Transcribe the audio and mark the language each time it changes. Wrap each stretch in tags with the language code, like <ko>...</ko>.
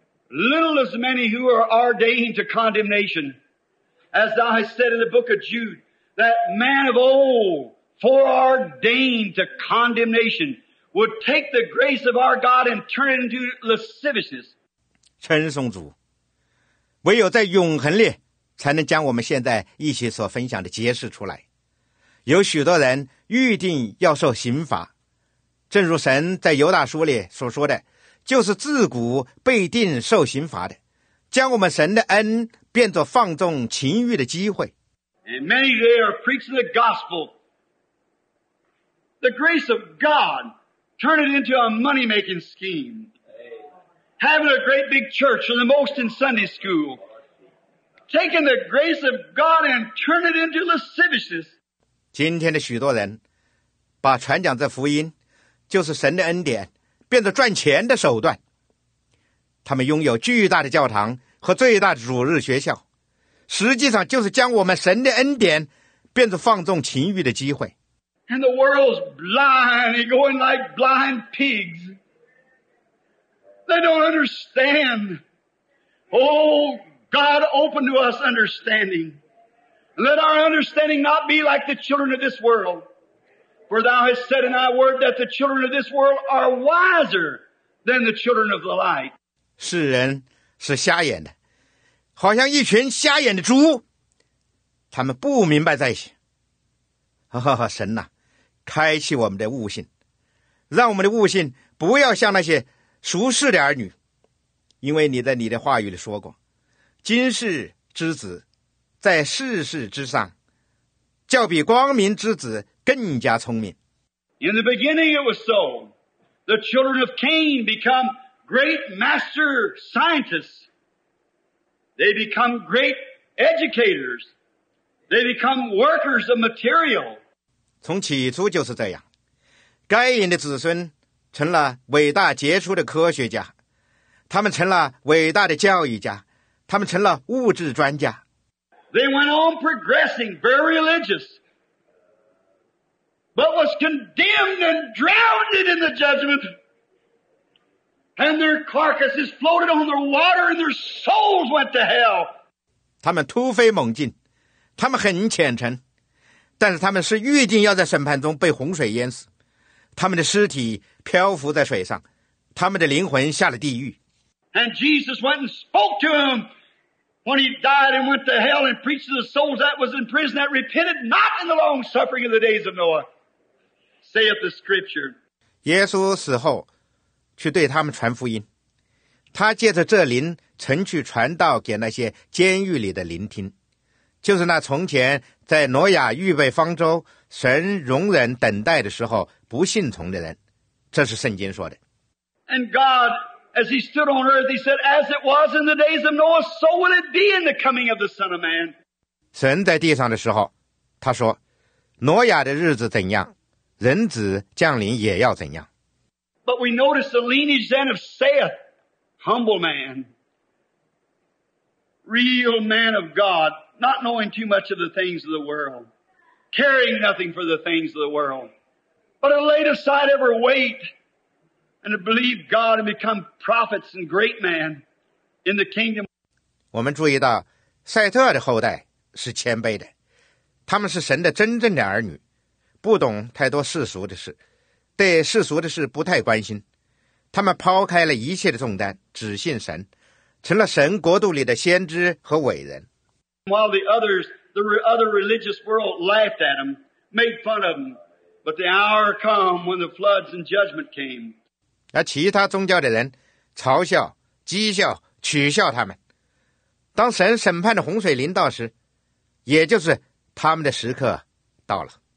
<en>Little as many who are ordained to condemnation, as thou hast said in the book of Jude, that man of old, foreordained to condemnation, would take the grace of our God and turn it into lasciviousness.</en> <zh>称颂主，唯有在永恒里才能将我们现在一起所分享的揭示出来。有许多人预定要受刑罚，正如神在犹大书里所说的，就是自古被定受刑罚的，将我们神的恩变作放纵情欲的机会。</zh> <en>And many today are preaching the gospel, the grace of God, turn it into a money-making scheme. Having a great big church and the most in Sunday school, taking the grace of God and turn it into lasciviousness.</en> <zh>今天的许多人把传讲这福音就是神的恩典变得赚钱的手段，他们拥有巨大的教堂和最大的主日学校，实际上就是将我们神的恩典变成放纵情欲的机会。</zh> <en>And the world's blind, going like blind pigs. They don't understand. Oh, God, open to us understanding. Let our understanding not be like the children of this worldFor thou hast said in thy word that the children of this world are wiser than the children of the light.</en> <zh>世人是瞎眼的，好像一群瞎眼的猪，他们不明白在心。哈哈，神呐，开启我们的悟性，让我们的悟性不要像那些俗世的儿女，因为你在你的话语里说过，今世之子在世事之上较比光明之子更加聪明。</zh> <en>In the beginning it was so. The children of Cain become great master scientists. They become great educators. They become workers of material.</en> <zh>从起初就是这样，该隐的子孙成了伟大杰出的科学家，他们成了伟大的教育家，他们成了物质专家。</zh> <en>They went on progressing, very religious, but was condemned and drowned in the judgment, and their carcasses floated on the water, and their souls went to hell.</en> <zh>他们突飞猛进，他们很虔诚，但是他们是预定要在审判中被洪水淹死，他们的尸体漂浮在水上，他们的灵魂下了地狱。</zh> <en>And Jesus went and spoke to him when he died and went to hell and preached to the souls that was in prison that repented not in the long suffering of the days of Noah, saith the scripture.</en> <zh>耶稣死后去对他们传福音，他借着这灵曾去传道给那些监狱里的灵听，就是那从前在挪亚预备方舟神容忍等待的时候不信从的人，这是圣经说的。</zh> <en>And GodAs he stood on earth, he said, as it was in the days of Noah, so will it be in the coming of the Son of Man.</en> <zh>神在地上的时候，他说，挪亚的日子怎样，人子降临也要怎样。</zh> <en>But we notice the lineage then of Seth, humble man, real man of God, not knowing too much of the things of the world, caring nothing for the things of the world, but had laid aside every weight,And to believe God and become prophets and great men in the kingdom.</en> <zh>我们注意到赛特的后代是谦卑的，他们是神的真正的儿女，不懂太多世俗的事，对世俗的事不太关心，他们抛开了一切的重担，只信神，成了神国度里的先知和伟人。</zh> <en>While the other religious world laughed at him, made fun of him, but the hour come when the floods and judgment came.</en> <zh>而其他宗教的人嘲笑、讥笑、取笑他们。当神审判的洪水临到时，也就是他们的时刻到了。</zh>